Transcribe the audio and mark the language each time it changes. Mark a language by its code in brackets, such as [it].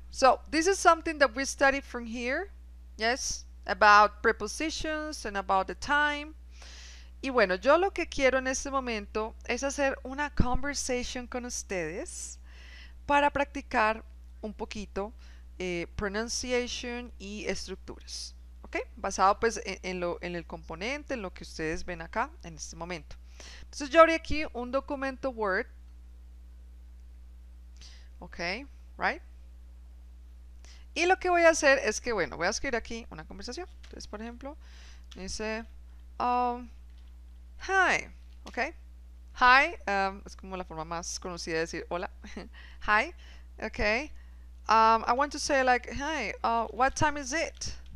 [en] So, this is something that we studied from here. Yes? About prepositions and about the time. [es] Y bueno, yo lo que quiero en este momento es hacer una conversation con ustedes para practicar un poquito pronunciation y estructuras. ¿Ok? Basado pues en el componente, en lo que ustedes ven acá en este momento. Entonces yo abrí aquí un documento Word. ¿Ok? ¿Right? Y lo que voy a hacer es que, bueno, voy a escribir aquí una conversación. Entonces, por ejemplo, dice... Hi, ok. Hi, es como la forma más conocida de decir hola. [en] Hi, ok. I want to say like, hi, what time is it?